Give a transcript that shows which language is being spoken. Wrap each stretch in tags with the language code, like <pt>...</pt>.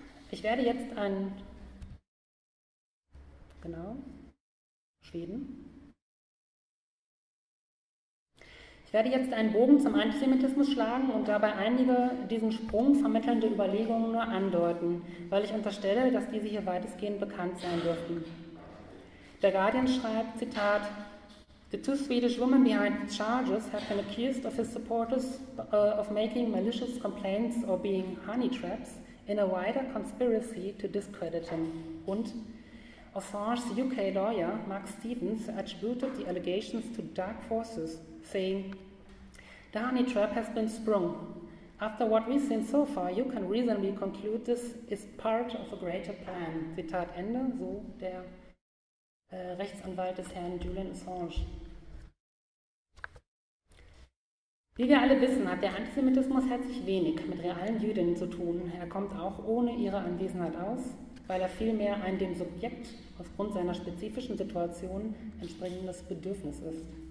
<de>Ich werde jetzt ein, genau, Schweden. Ich werde jetzt einen Bogen zum Antisemitismus schlagen und dabei einige diesen Sprung vermittelnde Überlegungen nur andeuten, weil ich unterstelle, dass diese hier weitestgehend bekannt sein dürften. Der Guardian schreibt, Zitat,</de> <en>the two Swedish women behind the charges have been accused of his supporters of making malicious complaints or being honey traps in a wider conspiracy to discredit him. Und Assange's UK lawyer, Mark Stevens, attributed the allegations to dark forces, saying, the honey trap has been sprung. After what we've seen so far, you can reasonably conclude this is part of a greater plan.</en> <de>Zitat Ende, so der Rechtsanwalt des Herrn Julian Assange. Wie wir alle wissen, hat der Antisemitismus herzlich wenig mit realen Jüdinnen zu tun. Er kommt auch ohne ihre Anwesenheit aus, weil er vielmehr ein dem Subjekt aufgrund seiner spezifischen Situation entsprechendes Bedürfnis ist.</de>